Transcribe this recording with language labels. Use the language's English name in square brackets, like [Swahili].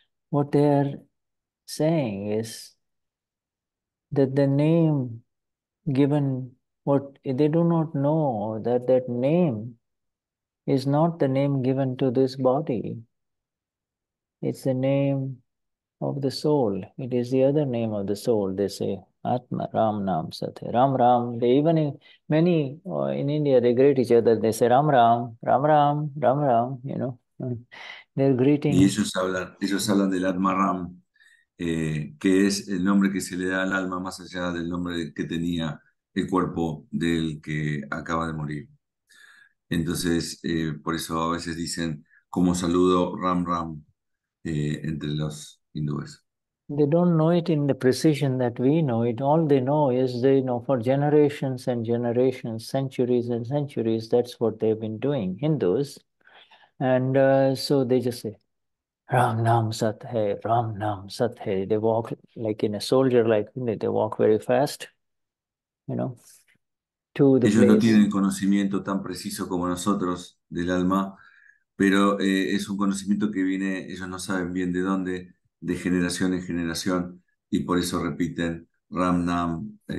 [English] What they're saying is that the name given, what they do not know, that name is not the name given to this body. It's the name of the soul. It is the other name of the soul. They say [Hindi] Atma Ram Nam Sat Ram Ram. [English] They even in many in India, they greet each other. They say [Hindi] Ram Ram Ram Ram Ram Ram. [English] You know, they're greeting. [Spanish] Y ellos hablan del Atma Ram, que es el nombre que se le da al alma más allá del nombre que tenía el cuerpo del que acaba de morir. Entonces, por eso a veces dicen como saludo Ram Ram entre los hindúes. [English] They don't know it in the precision that we know it. All they know is they know for generations and generations, centuries and centuries, that's what they've been doing, Hindus. And so they just say, [Hindi] Ram Nam Sat Hai, [English] Ram Nam Sat Hai. They walk like in a soldier, like they walk very fast, you know, to the [Spanish] Ellos [English] place. [Spanish] No tienen conocimiento tan preciso como nosotros del alma, pero es un conocimiento que viene, ellos no saben bien de dónde, de generación en generación, y por eso repiten Ram Nam,